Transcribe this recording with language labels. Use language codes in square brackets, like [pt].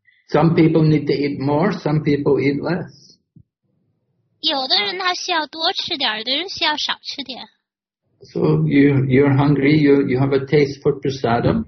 [en] Some people need to eat more, some people eat less. [zh] 有的人他需要多吃点，有的人需要少吃点。 [en] So you're hungry, you have a taste for prasadam.